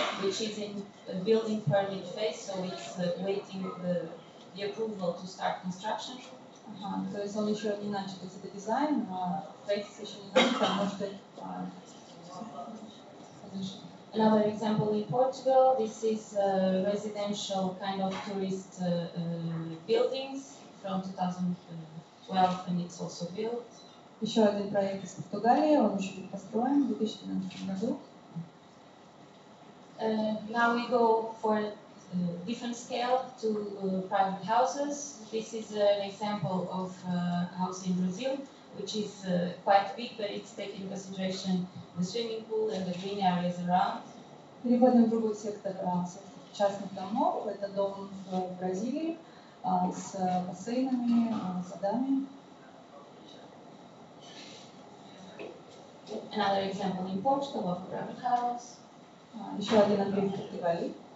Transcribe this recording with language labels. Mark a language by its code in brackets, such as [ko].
[en] which is in a building permit phase, so it's waiting the approval to start construction. [ru] То есть он еще не начал этот дизайн, строительство еще не начал, может быть. [en] Another example in Portugal. This is a residential kind of tourist buildings from 2012, and it's also built. [ru] Еще один проект из Португалии, он еще будет построен в 2013 году. [en] Now we go for different scale to private houses. This is an example of a house in Brazil, which is quite big, but it's taking into consideration the swimming pool and the green areas around. [ru] Переходим в другой сектор частных домов. Это дом в Бразилии с бассейнами, садами. [en] Another example in Portugal of a private house. [ru] Еще один объект в Португалии.